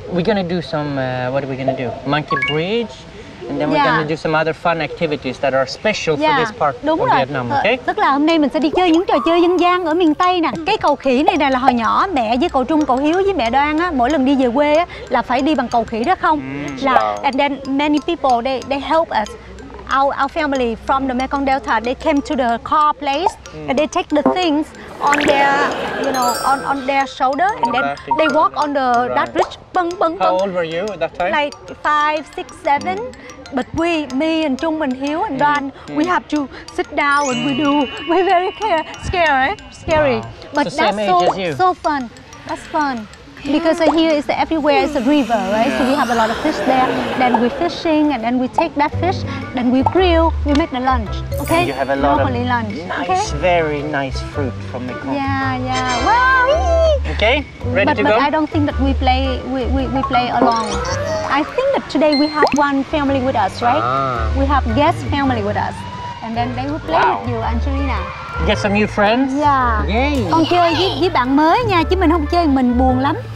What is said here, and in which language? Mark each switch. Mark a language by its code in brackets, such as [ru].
[en] We're gonna do some what are we gonna do? Monkey bridge, and then we're gonna do some other fun activities that are special for this part [vi] Đúng [en] of [vi] rồi. [en] Vietnam. Okay. [vi] Tức là hôm nay mình sẽ đi chơi những trò chơi dân gian ở miền Tây nè. Cái cầu khỉ này là hồi nhỏ mẹ với cậu Trung, cậu Hiếu với mẹ Đoan á, mỗi lần đi về quê á là phải đi bằng cầu khỉ đó không? Là [en] and then many people they help us. our family from the Mekong Delta, they came to the car place and they take the things on their, you know, on their shoulder, and then they walk on the that bridge. Bung, bung, bung. How old were you at that time? Like 5, 6, 7. But me and Trung, and Hiếu and Đoàn, we have to sit down and we do. We're very scary. Wow. But so that's so fun. That's fun. Because here is everywhere is a river, right? Yeah. So we have a lot of fish there. Then we fishing, and then we take that fish, then we grill, we make the lunch. Okay? And you have a lot normally of lunch. Nice, okay? Very nice fruit from the Mekong. Yeah. Wow. Okay, ready to go? But I don't think that we play along. I think that today we have one family with us, right? We have guest family with us. And then they will play with you, Angelina. Get some new friends. Yeah. Yay. [vi] Con chơi với bạn mới nha, chứ mình không chơi mình buồn lắm.